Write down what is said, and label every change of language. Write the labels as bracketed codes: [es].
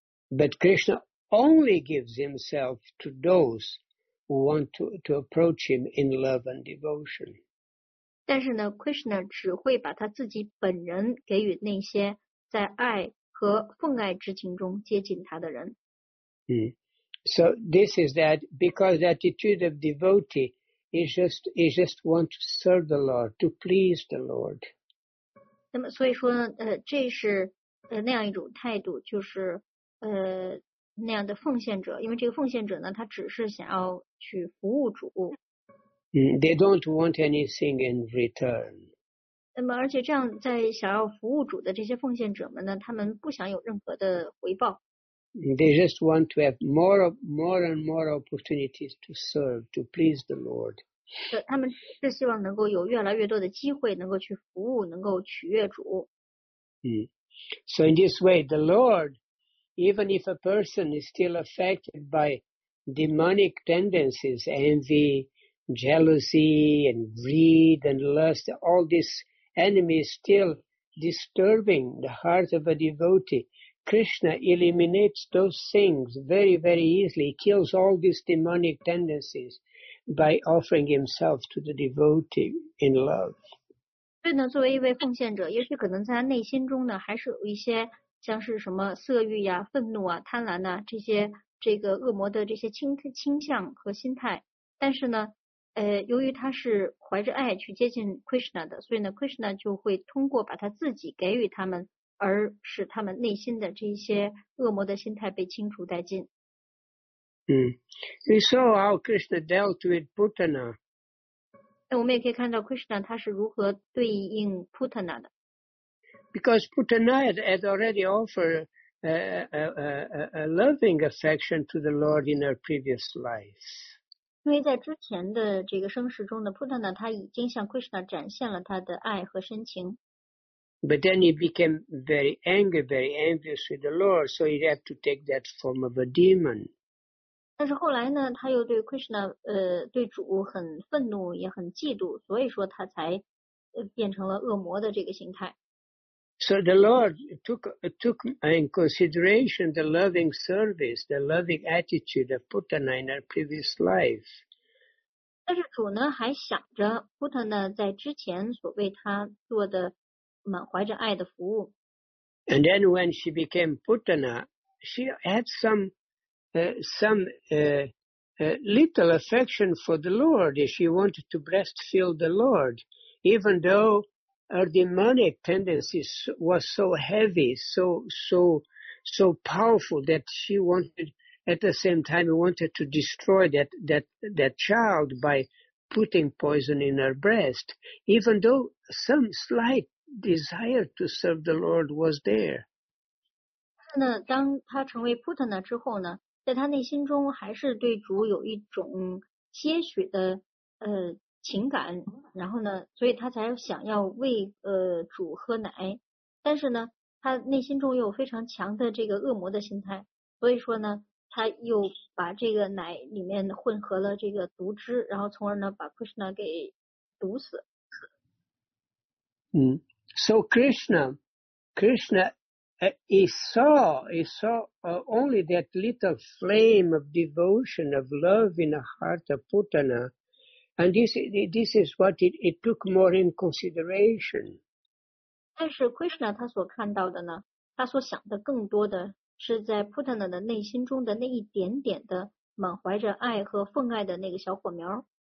[en] But Krishna only gives himself to those who want to approach him in love and devotion. [zh] 但是呢 ，Krishna 只会把他自己本人给予那些在爱和奉爱之情中接近他的人。 [en] So this is that because the attitude of devotee is just want to serve the Lord, to please the Lord. [zh] 那么所以说，这是。那样一种态度就是那样的奉献者，因为这个奉献者呢，他只是想要去服务主。 [en] They don't want anything in return. [zh] 那么，而且这样在想要服务主的这些奉献者们呢，他们不想有任何的回报。 [en] They just want to have more and more opportunities to serve, to please the Lord. [zh] 他们是希望能够有越来越多的机会能够去服务，能够取悦主。 [en] So in this way, the Lord, even if a person is still affected by demonic tendencies, envy, jealousy, and greed, and lust, all this enemy is still disturbing the heart of a devotee. Krishna eliminates those things very, very easily. He kills all these demonic tendencies by offering himself to the devotee in love. [zh] 所以呢，作为一位奉献者，也许可能在他内心中呢，还是有一些像是什么色欲呀、愤怒啊、贪婪呐、这些这个恶魔的这些倾向和心态。但是呢，由于他是怀着爱去接近 Krishna 的，所以呢 ，Krishna 就会通过把他自己给予他们，而使他们内心的这些恶魔的心态被清除殆尽。 [en] We saw how Krishna dealt with Putana. [zh] 那我们也可以看到 Krishna 他是如何对应 Putana 的。 [en] Because Putana had already offered a loving affection to the Lord in her previous life. [zh] 因为在之前的这个生世中的 Putana 他已经向 Krishna 展现了他的爱和深情。 [en] But then he became very angry, very envious with the Lord, so he had to take that form of a demon. [zh] 但是后来呢，他又对 Krishna 对主很愤怒，也很嫉妒，所以说他才变成了恶魔的这个形态。 [en] So the Lord took in consideration the loving service, the loving attitude of Putana in her previous life. [zh] 但是主呢，还想着 Putana 在之前所为他做的满怀着爱的服务。 [en] And then when she became Putana, she had some little affection for the Lord. She wanted to breastfeed the Lord, even though her demonic tendencies was so heavy, so powerful that she wanted, at the same time, wanted to destroy that child by putting poison in her breast. Even though some slight desire to serve the Lord was there. [zh] 那当他成为 Putana 之后呢？在他内心中还是对主有一种些许的情感，然后呢，所以他才想要为主喝奶，但是呢，他内心中又有非常强的这个恶魔的心态，所以说呢，他又把这个奶里面混合了这个毒汁，然后从而呢把 Krishna 给毒死。 [en] So Krishna. He saw only that little flame of devotion, of love in the heart of Putana, and this is what it took more in consideration. [zh] 但是 Krishna 他所看到的呢，他所想的更多的是在 Putana 的内心中的那一点点的满怀着爱和奉爱的那个小火苗。